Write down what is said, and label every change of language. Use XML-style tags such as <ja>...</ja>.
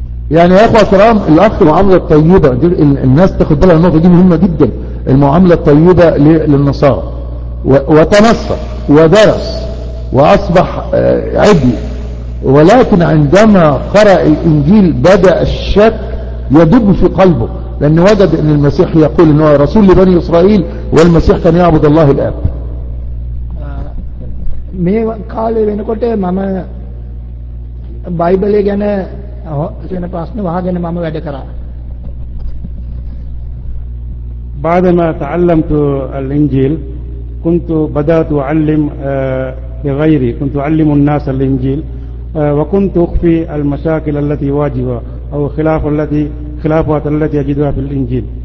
<ar>يعني يا أخوة كرام الأخ معاملة طيبة الناس تاخد بالها النقطة دي مهمة جدا المعاملة الطيبة للنصارى وتنصر ودرس وأصبح عدي ولكن عندما قرأ الإنجيل بدأ الشك يدب في قلبه لأن وجد أن المسيح يقول أنه رسول لبني إسرائيل والمسيح كان يعبد الله الآب</ar> <si>මේ කාලේ වෙනකොට මම බයිබලය ගැන වෙන ප්‍රශ්න වහගෙන මම වැඩ කරා.</si> <ar>بعدما تعلمت الانجيل كنت بدات اعلم لغيري كنت اعلم الناس الانجيل وكنت اخفي المشاكل التي واجهها او خلاف التي خلافات التي اجدها في الانجيل.</ar>